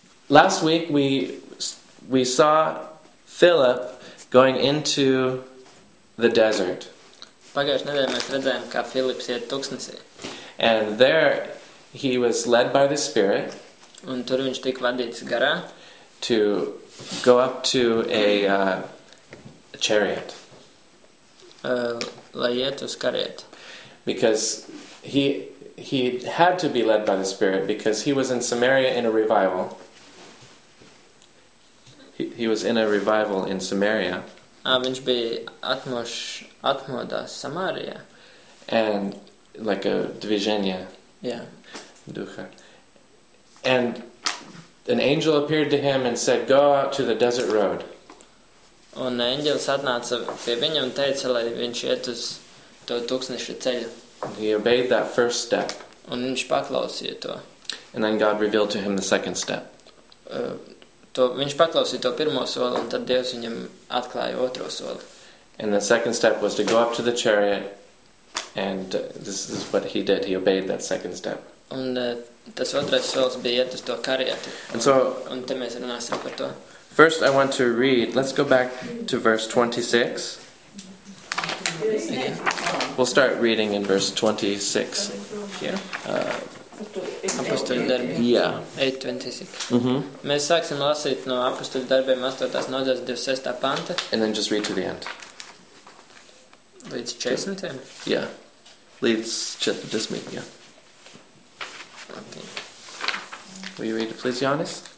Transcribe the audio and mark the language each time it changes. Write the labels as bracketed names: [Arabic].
[English] Last week we saw Philip going into the desert. [Latvian] Pagājušajā nedēļā mēs redzējām, kā Filips iet tuksnesī. [English] And there he was led by the Spirit. [Latvian] Un tur viņš tika vadīts garā. [English] To go up to a chariot. [Latvian] Lai iet uz karieti. [English] Because he had to be led by the Spirit because he was in Samaria in a revival. He was in a revival in Samaria. [Latvian] Viņš bija atmodā Samārijā. [English] And like a dvīženie. Yeah. Duha. And an angel appeared to him and said, go out to the desert road. [Latvian] Un eņģelis atnāca pie viņa un teica, lai viņš iet uz to tuksneša ceļu. [English] And he obeyed that first step. [Latvian] Un viņš paklausīja to. [English] And then God revealed to him the second step. [Latvian] Viņš paklausīja to pirmo soli, un tad Dievs viņam atklāja otro soli. [English] And the second step was to go up to the chariot, and this is what he did. He obeyed that second step. [Latvian] Un tas otrais solis bija iet uz to karieti. Un te mēs runāsim par to. [English] First I want to read, let's go back to verse 26. Yeah. We'll start reading in verse 26. [Latvian] Apostoļu darbi. [English] Yeah. 8:26. Mm-hmm. [Latvian] Mēs sāksim lasīt no apostoļu darbiem 8. Nodaļas 26. Panta. [English] And then just read to the end. [Latvian] Līdz 40. Yeah. Līdz 40. Yeah. [English] Okay. Will you read it, please, Jānis?